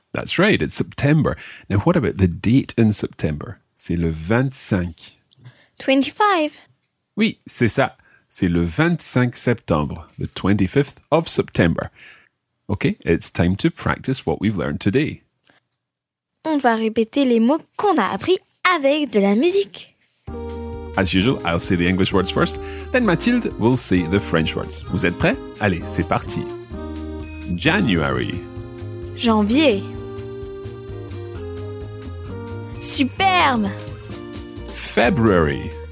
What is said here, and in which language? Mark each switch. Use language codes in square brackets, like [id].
[en] That's right, it's September. Now what about the date in September? [fr] C'est le 25. 25. Oui, c'est ça. C'est le 25 septembre, [en] the 25th of September. Okay, it's time to practice what we've learned today. [fr] On va répéter les mots qu'on a appris avec de la musique. [en] As usual, I'll say the English words first, then Mathilde will say the French words. [fr] Vous êtes prêts? Allez, c'est parti. January. Janvier. Superbe. [en] February.